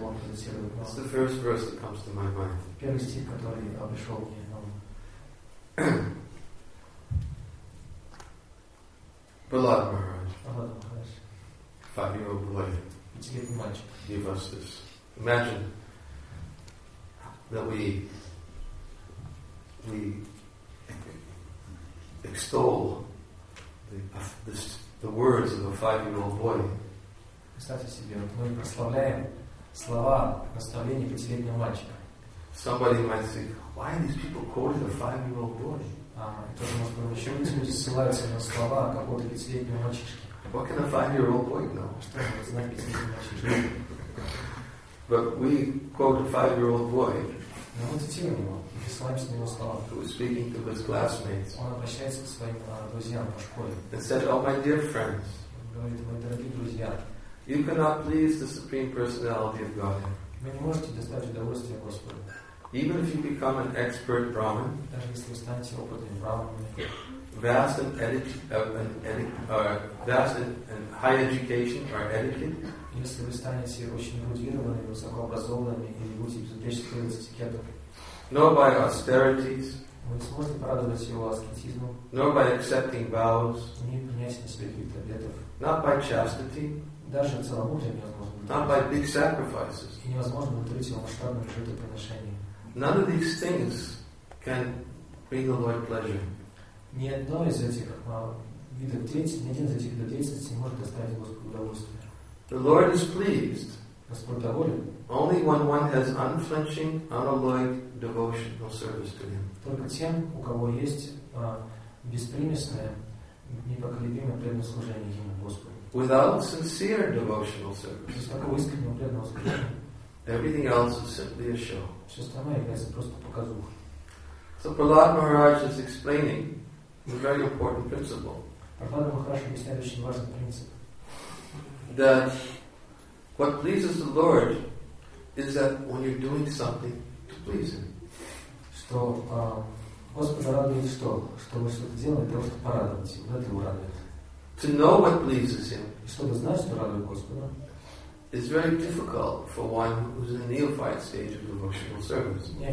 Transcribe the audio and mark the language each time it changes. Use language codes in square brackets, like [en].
[ru] могу. [en] It's the first verse that comes to my mind. [ru] Первый стих, который обошел мне. [en] Prahlad Maharaj, 5-year-old boy, give us this. Imagine that we extol the words of a 5-year-old boy. [ru] Представьте себе, мы прославляем слова наставления 5-летнего мальчика. [en] Somebody might think, why are these people quoting a 5-year-old boy? [ru] Тоже может быть, еще люди ссылаются на слова какого-то 5-летнего мальчишки. [en] What can a 5-year-old boy know? [ru] Что он знает 5-летнего мальчишки? [en] But we quote a 5-year-old boy. [ru] Но мы цитируем его, ссылаемся на его слова. [en] Who was speaking to his classmates? [ru] Он обращается к своим друзьям по школе. [en] And said, "Oh, my dear friends." [ru] Говорит, мои дорогие друзья. [en] You cannot please the supreme personality of God. [ru] Вы не можете доставить удовольствие Господу. [en] Even if you become an expert Brahmin, [ru] даже если вы станете опытным Брахманом, [en] vast and high education or etiquette, [ru] если вы станете очень эрудированными, высокообразованными или будете безупречным с этикетом, [en] nor by austerities, [ru] вы не сможете порадовать его аскетизмом, [en] nor by accepting vows, [ru] не принять на себя каких-то обетов, [en] not by chastity, [ru] даже целомудрие невозможно, [en] not by big sacrifices, [ru] и невозможно удовлетворить его масштабным жертвоприношением. [en] None of these things can bring the Lord pleasure. [ru] Ни одно из этих видов деятельности, ни один из этих видов деятельности не может доставить Господу удовольствие. [en] The Lord is pleased. [ru] Господь доволен. [en] Only when one has unflinching, unalloyed devotional service to Him. [ru] Только тем, у кого есть беспримесное, непоколебимое преданное служение Ему Господу. [en] Without sincere devotional service. [ru] Без такого искреннего преданного служения. [en] Everything else is simply a show. [ru] Все остальное является просто показухой. [en] So Prahlad Maharaj is explaining a very important principle. [ru] Прохлад Махарадж объясняет очень важный принцип. [en] That what pleases the Lord is that when you're doing something to please Him. [ru] Что Господа радует что? Что вы что-то делаете, просто порадовать Его. Это Его радует. [en] To know what pleases Him. [ru] И чтобы знать, что радует Господа. [en] It's very difficult for one who's in the neophyte stage of devotional service.